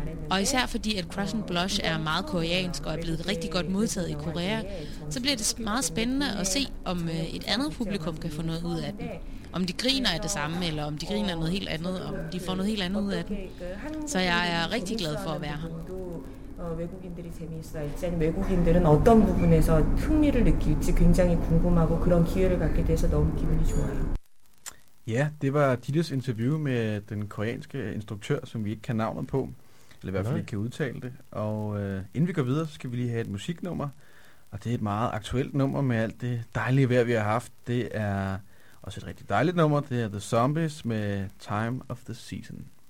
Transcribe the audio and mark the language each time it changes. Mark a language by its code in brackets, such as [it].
[da] Og især fordi, at Crush & Blush er meget koreansk og er blevet rigtig godt modtaget i Korea, så bliver det meget spændende at se, om et andet publikum kan få noget ud af den. Om de griner af det samme, eller om de griner noget helt andet, om de får noget helt andet ud af den. Så jeg er rigtig glad for at være her. [ko] 외국인들이 재미있어 할지 외국인들은 어떤 부분에서 흥미를 느낄지 굉장히 궁금하고 그런 기회를 갖게 돼서 너무 기분이 좋아요. [da] Ja, det var Dittes interview med den koreanske instruktør, som vi ikke kan navnet på, eller i hvert fald ikke kan udtale det. Og inden vi går videre, så skal vi lige have et musiknummer, og det er et meget aktuelt nummer med alt det dejlige vejr, vi har haft. Det er også et rigtig dejligt nummer, det er The Zombies med Time of the Season.